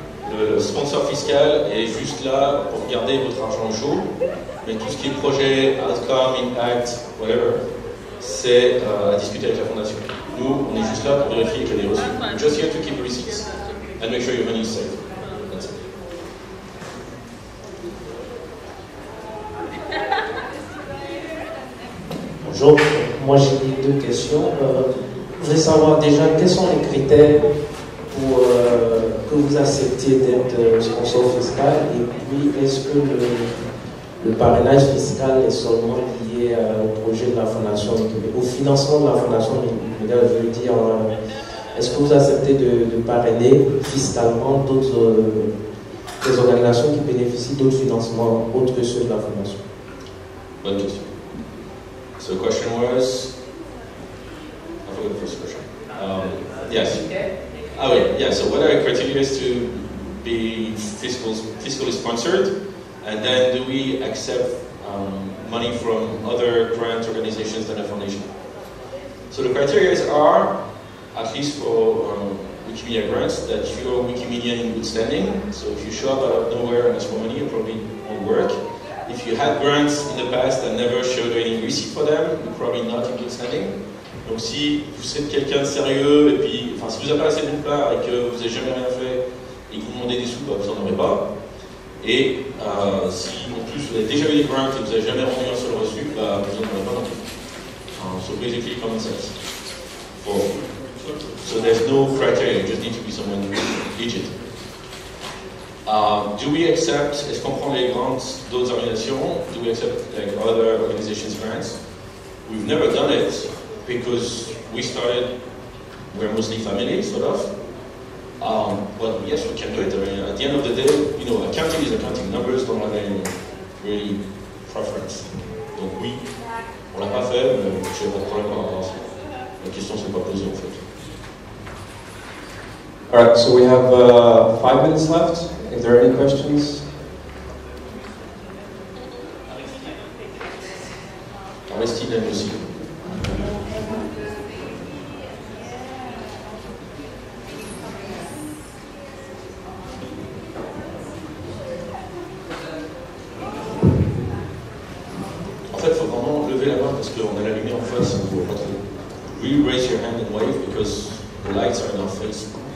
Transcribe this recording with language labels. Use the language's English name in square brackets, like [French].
[French] Le sponsor fiscal est juste là pour garder votre argent chaud, mais tout ce qui est projet, outcome, impact, whatever, c'est à discuter avec la fondation. Nous, on est juste là pour vérifier qu'il y a des reçus. [English] We're just here to keep receipts and make sure your money is safe. That's it. [French] Bonjour, moi j'ai deux questions. Je voudrais savoir déjà quels sont les critères pour que vous acceptiez d'être sponsor fiscal et puis est-ce que le parrainage fiscal est seulement lié au projet de la Fondation, au financement de la Fondation, je veux dire, est-ce que vous acceptez de parrainer fiscalement d'autres des organisations qui bénéficient d'autres financements autres que ceux de la Fondation? Bonne question. [English] So the question was, I forgot the first question. Yes. Oh yeah, yeah. So what are the criteria to be fiscally sponsored? And then do we accept money from other grant organizations than the foundation? So the criteria are, at least for Wikimedia grants, that you're Wikimedian in good standing. So if you show up out of nowhere and ask for money, it probably won't work. If you had grants in the past and never showed any receipt for them, you're probably not in good standing. [French] Donc si vous êtes quelqu'un de sérieux et puis, enfin si vous n'avez pas assez de part et que vous n'avez jamais rien fait et que vous demandez des sous, bah, vous n'en aurez pas. Et si en plus vous avez déjà eu des grants et que vous n'avez jamais rendu un seul reçu, bah, vous n'en aurez pas non plus. [English] So basically common sense. So there's no criteria, you just need to be someone legit. Do we accept, [French] est-ce qu'on prend les grants d'autres organisations? [English] Do we accept like other organizations' grants? We've never done it because we started, we're mostly family, sort of. But yes, we can do it. I mean, at the end of the day, you know, accounting is accounting. Numbers don't have any really preference. [French] Donc oui, on l'a pas fait, mais je n'ai pas de problème par rapport à ça. La question s'est pas posée en fait. [English] Alright, so we have 5 minutes left. If there are any questions. [French] Aristide, merci. En fait, il faut vraiment lever la main parce qu'on a la lumière en face. Il faut [English] really raise your hand and wave because the lights are in our face.